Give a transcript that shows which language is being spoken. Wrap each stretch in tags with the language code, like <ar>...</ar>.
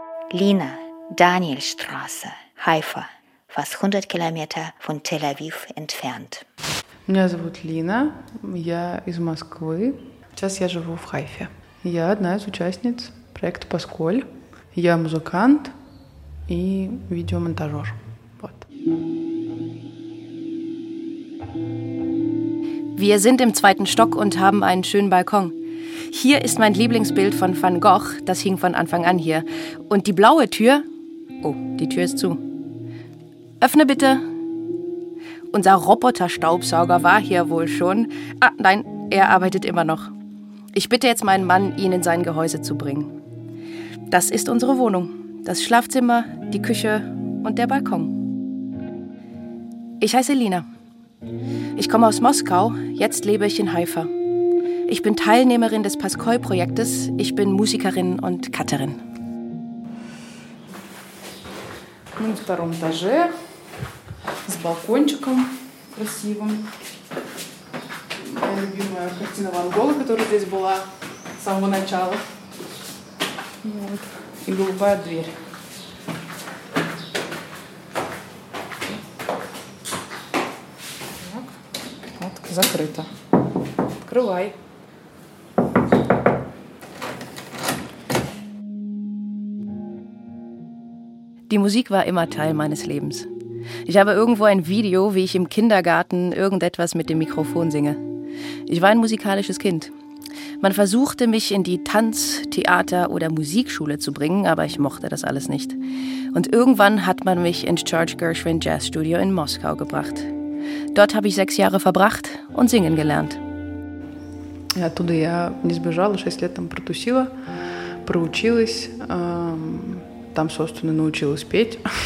<de>Lina, Danielstraße, Haifa, fast 100 Kilometer von Tel Aviv entfernt.</de> <ru>Меня зовут Лина, я из Москвы. Сейчас я живу в Хайфе. Я одна из участниц проекта «Паскаль». Я музыкант и видеомонтажер. Вот.</ru> <de>Wir sind im zweiten Stock und haben einen schönen Balkon. Hier ist mein Lieblingsbild von Van Gogh, das hing von Anfang an hier. Und die blaue Tür, oh, die Tür ist zu. Öffne bitte. Unser Roboterstaubsauger war hier wohl schon. Ah, nein, er arbeitet immer noch. Ich bitte jetzt meinen Mann, ihn in sein Gehäuse zu bringen. Das ist unsere Wohnung. Das Schlafzimmer, die Küche und der Balkon. Ich heiße Lina. Ich komme aus Moskau, jetzt lebe ich in Haifa. Ich bin Teilnehmerin des Paskoi-Projektes, ich bin Musikerin und Cutterin.</de> <ru>Мы на втором этаже, с балкончиком красивым. Моя любимая картина Ван Гога, которая здесь была с самого начала. И голубая дверь. Закрыто. Открывай.</ru> <de>Die Musik war immer Teil meines Lebens. Ich habe irgendwo ein Video, wie ich im Kindergarten irgendetwas mit dem Mikrofon singe. Ich war ein musikalisches Kind. Man versuchte mich in die Tanz-, Theater- oder Musikschule zu bringen, aber ich mochte das alles nicht. Und irgendwann hat man mich ins George Gershwin Jazz Studio in Moskau gebracht. Dort habe ich 6 Jahre verbracht und singen gelernt.</de> <ru>Ja, оттуда я не сбежала, 6 лет там протусила, проучилась, там, собственно, научилась петь.</ru>